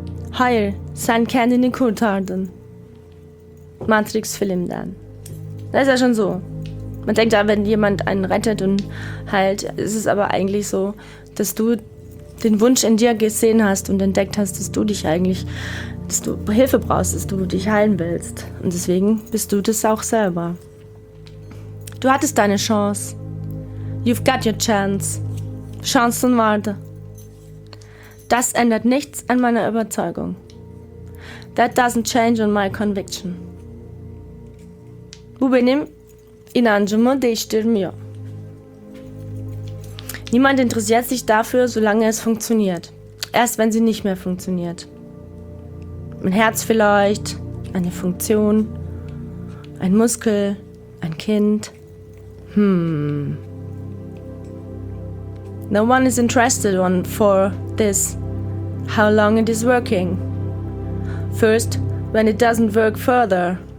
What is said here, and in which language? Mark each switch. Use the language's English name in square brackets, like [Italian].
[Turkish] Hayır, sen kendini kurtardın. [German] Matrix-Film dann. Das ist ja schon so. Man denkt ja, wenn jemand einen rettet und heilt, ist es aber eigentlich so, dass du den Wunsch in dir gesehen hast und entdeckt hast, dass du dich eigentlich, dass du Hilfe brauchst, dass du dich heilen willst. Und deswegen bist du das auch selber. Du hattest deine Chance. [English] You've got your chance. [German] Chancen warte. Das ändert nichts an meiner Überzeugung. [English] That doesn't change on my conviction. [Turkish] Bu benim inancımı değiştirmiyor. [German] Niemand interessiert sich dafür, solange es funktioniert. Erst wenn sie nicht mehr funktioniert. Mein Herz vielleicht, eine Funktion, ein Muskel, ein Kind. [English] No one is interested on for this. How long it is working. First, when it doesn't work further.